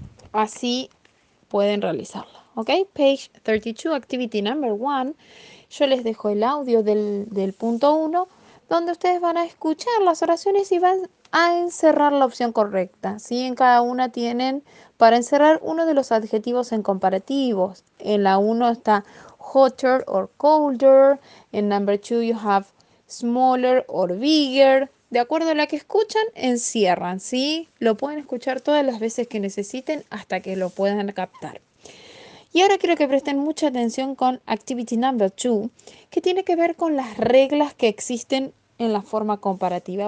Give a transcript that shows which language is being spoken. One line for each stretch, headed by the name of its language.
Spanish: Así pueden realizarla.
English: ¿Ok? Page 32, activity number 1.
Spanish: Yo les dejo el audio del punto 1, donde ustedes van a escuchar las oraciones y van a encerrar la opción correcta. ¿Sí? En cada una tienen para encerrar uno de los adjetivos en comparativos. En la 1 está
English: hotter or colder. En number 2 you have smaller or bigger.
Spanish: De acuerdo a la que escuchan, encierran, ¿sí? Lo pueden escuchar todas las veces que necesiten hasta que lo puedan captar. Y ahora quiero que presten mucha atención con
English: activity number 2,
Spanish: que tiene que ver con las reglas que existen en la forma comparativa.